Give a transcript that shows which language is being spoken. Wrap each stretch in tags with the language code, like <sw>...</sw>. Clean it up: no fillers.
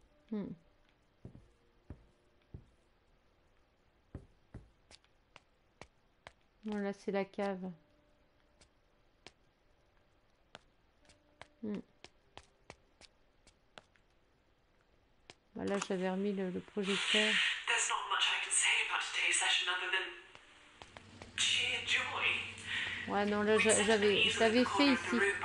<fr>Bon, là c'est la cave. Voilà, j'avais remis le projecteur.</fr> <en>There's not much I can say about today's session other than sheer joy.</en> <fr>Ouais, non, là j'avais fait ici.</fr>